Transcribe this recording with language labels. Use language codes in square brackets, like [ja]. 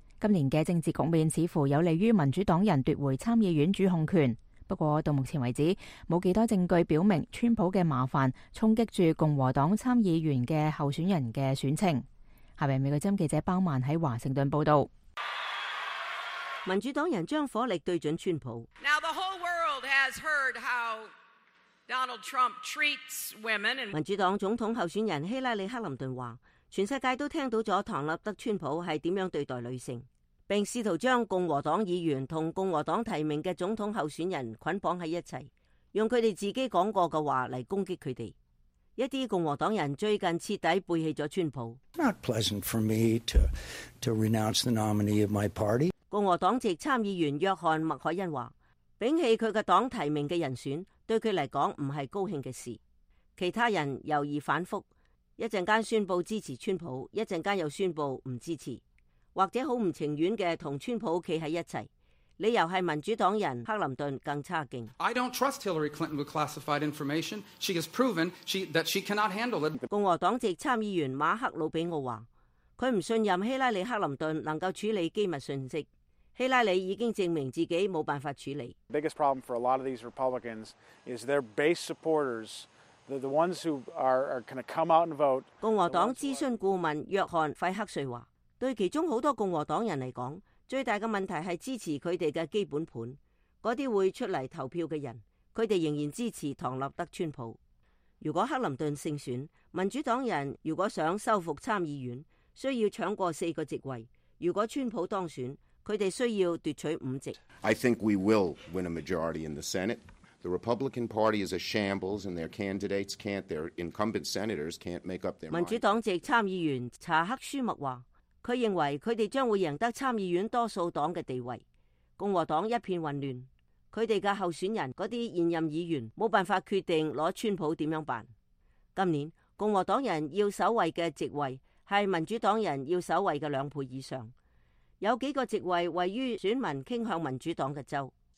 [zh] 今年的政治局面似乎有利于民主党人夺回参议院主控权。不过到目前为止，没有多少证据表明川普的麻烦冲击着共和党参议员的候选人的选情。下面美国之音记者包曼在华盛顿报道。民主党人将火力对准川普。 [en] Now the whole world has heard how Donald Trump treats women. [zh] 民主党总统候选人希拉里·克林顿说，全世界都听到了唐纳德·川普是怎样对待女性，并试图将共和党议员和共和党提名的总统候选人捆绑在一起，用他们自己讲过的话来攻击他们。一些共和党人最近彻底背弃了川普。 [en] Not pleasant for me to renounce the nominee of my party. [zh] 共和党籍参议员约翰·麦凯恩说，摒弃他的党提名的人选对他来说不是高兴的事。其他人犹豫反复，一阵间宣布支持川普，一阵间又宣布不支持，或者很不情愿地和川普站在一起。理由是民主党人克林顿更差劲。 [en] I don't trust Hillary Clinton with classified information. She has proven that she cannot handle it. [zh] 共和党籍参议员马克·鲁比奥说，他不信任希拉里·克林顿能够处理机密信息。希拉里已经证明自己没办法处理。 [en] The biggest problem for a lot of these Republicans is their base supporters, the ones who are going to come out and vote. [zh] 共和党咨询顾问约翰·费克瑞说，对其中很多共和党人来说，最大的问题是支持他们的基本盘，那些会出来投票的人，他们仍然支持唐纳德·川普。如果克林顿胜选，民主党人如果想收复参议院，需要抢过四个席位；如果川普当选，他们需要夺取五席。 [en] I think we will win a majority in the Senate. The Republican Party is a shambles, and their incumbent senators can't make up their mind. [zh] 民主党籍参议员查克·舒默说，他认为他们将会赢得参议院多数党的地位，共和党一片混乱，他们的候选人那些现任议员没办法决定拿川普怎样办。今年共和党人要守卫的席位是民主党人要守卫的两倍以上，有几个席位位于选民倾向民主党的州。